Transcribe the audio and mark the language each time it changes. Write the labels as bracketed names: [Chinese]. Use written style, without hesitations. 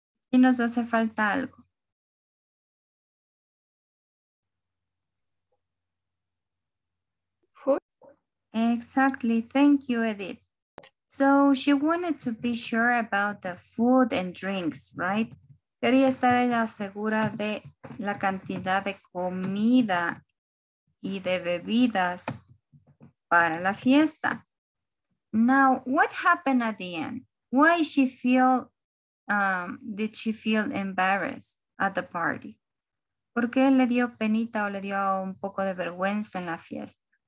[Spanish] ¿Y nos hace falta algo? [English] Exactly. Thank you, Edith. So she wanted to be sure about the food and drinks, right? [Spanish] Quería estar ella segura de la cantidad de comida y de bebidas para la fiesta. [English] Now, what happened at the end? Why she feel, did she feel embarrassed at the party? [Spanish] ¿Por qué le dio penita o le dio un poco de vergüenza en la fiesta?